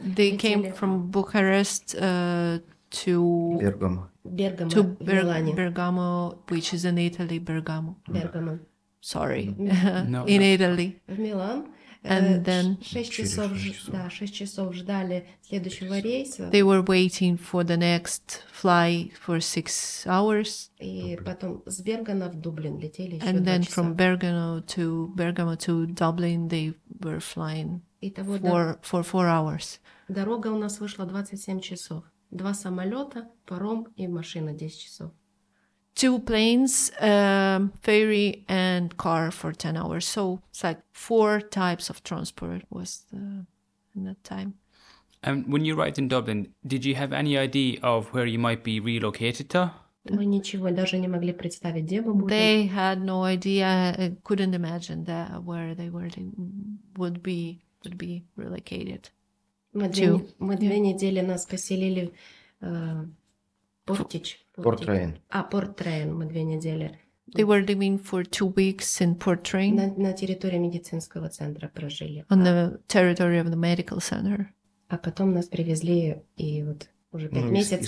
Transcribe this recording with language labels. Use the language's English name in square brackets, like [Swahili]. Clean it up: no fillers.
[English] They came from Bucharest to... [Russian] Бергамо. [English] Bergamo, to Bergamo, which is in Italy, Bergamo. Bergamo. Sorry. No. In no. Italy. [Russian] В Милан. [English] And then... [Russian] 6 часов, 6 часов ждали следующего рейса. [English] They were waiting for the next fly for 6 hours. [Russian] И потом с Бергана в Дублин летели еще 2 [English] And then [Russian] часа. [English] From Bergamo to Dublin, they were flying for 4 hours. [Russian] Дорога у нас вышла 27 часов. Два самолета, паром и машина 10 часов. [English] two planes, ferry and car for 10 hours. So it's like four types of transport was in that time. And when you arrived in Dublin, did you have any idea of where you might be relocated to? [Ukrainian] Ми нічого даже не могли представити, де ми будемо. [English] They had no idea, couldn't imagine that where they were they would be relocated. [Ukrainian] Ми дві неділі нас поселили в Порт-Трейн. А, Порт-Трейн, ми дві неділі. [English] They were living for 2 weeks in Порт-Трейн. [Ukrainian] На території медицинського центру прожили. [English] On the territory of the medical center. [Ukrainian] А потім нас привезли і от уже 5 місяців.